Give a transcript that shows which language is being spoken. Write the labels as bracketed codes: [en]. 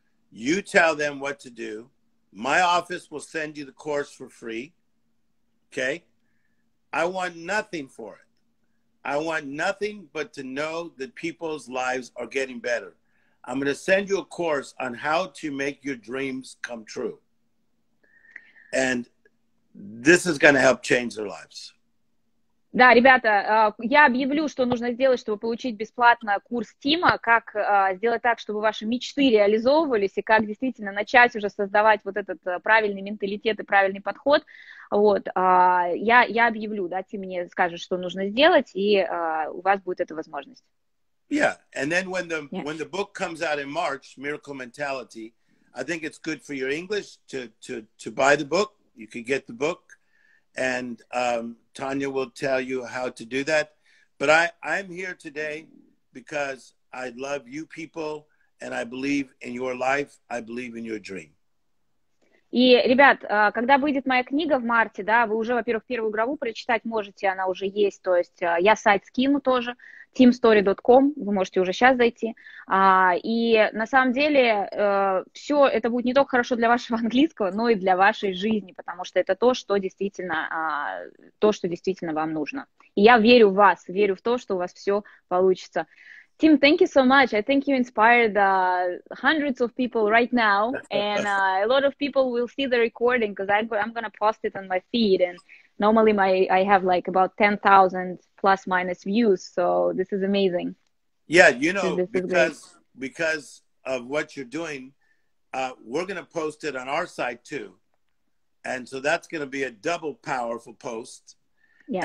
[en] You tell them what to do. My office will send you the course for free, okay? I want nothing for it. I want nothing but to know that people's lives are getting better. I'm going to send you a course on how to make your dreams come true. And this is going to help change their lives. [ru] Да, ребята, я объявлю, что нужно сделать, чтобы получить бесплатно курс Тима, как сделать так, чтобы ваши мечты реализовывались, и как действительно начать уже создавать вот этот правильный менталитет и правильный подход. Вот, я объявлю, да, ты мне скажешь, что нужно сделать, и у вас будет эта возможность. [en] Yeah, and then when the book comes out in March, Miracle Mentality, I think it's good for your English to buy the book. You can get the book. And Tanya will tell you how to do that. But I'm here today because I love you people and I believe in your life, I believe in your dream. [ru] И, ребят, когда выйдет моя книга в марте, да, вы уже, во-первых, первую главу прочитать можете, она уже есть, то есть я сайт скину тоже, teamstory.com, вы можете уже сейчас зайти, и на самом деле все это будет не только хорошо для вашего английского, но и для вашей жизни, потому что это то, что действительно вам нужно. И я верю в вас, верю в то, что у вас все получится. [en] Tim, thank you so much. I think you inspired hundreds of people right now, and a lot of people will see the recording because I'm going to post it on my feed, and normally I have like about 10,000 plus minus views, so this is amazing. Yeah, you know, because of what you're doing, we're going to post it on our site too, and so that's going to be a double powerful post. Yes.